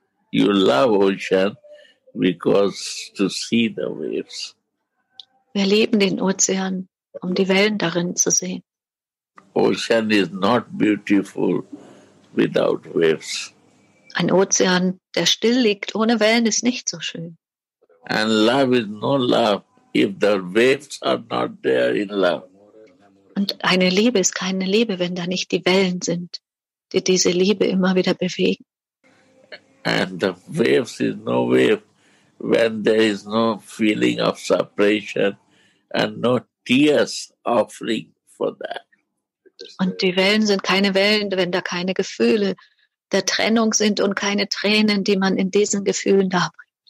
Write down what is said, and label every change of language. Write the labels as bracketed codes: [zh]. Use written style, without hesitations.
[en] You love ocean because to see the waves. [de] Wir lieben den Ozean, um die Wellen darin zu sehen. [en] Ocean is not beautiful without waves. [de] Ein Ozean, der still liegt ohne Wellen, ist nicht so schön. [en] And love is no love if the waves are not there in love. [de] Und eine Liebe ist keine Liebe, wenn da nicht die Wellen sind, die diese Liebe immer wieder bewegen. [en] And the waves is no wave when there is no feeling of separation and no tears offering for that. [de] Und die Wellen sind keine Wellen, wenn da keine Gefühle der Trennung sind und keine Tränen, die man in diesen Gefühlen darbringt.